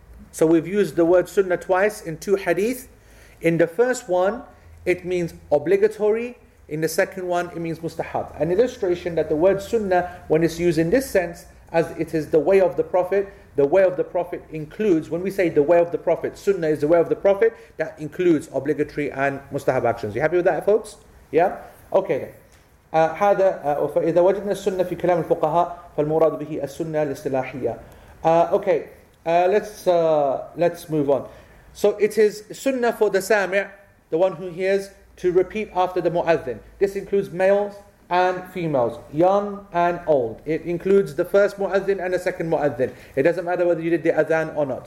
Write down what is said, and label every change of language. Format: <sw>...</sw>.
<en>So we've used the word sunnah twice in two hadith. In the first one, it means obligatory. In the second one, it means mustahab. An illustration that the word sunnah, when it's used in this sense, as it is the way of the Prophet. The way of the Prophet includes, when we say the way of the Prophet, Sunnah is the way of the Prophet, that includes obligatory and mustahab actions. You happy with that, folks? Yeah? Okay then.</en> <ar>هذا فإذا وجدنا السنة في كلام الفقهاء فالمراد به السنة الاصطلاحية.</ar> <en>Okay, let's move on. So it is sunnah for the sami', the one who hears, to repeat after the muadhin. This includes males and females, young and old. It includes the first muadhin and the second muadhin. It doesn't matter whether you did the adhan or not.</en>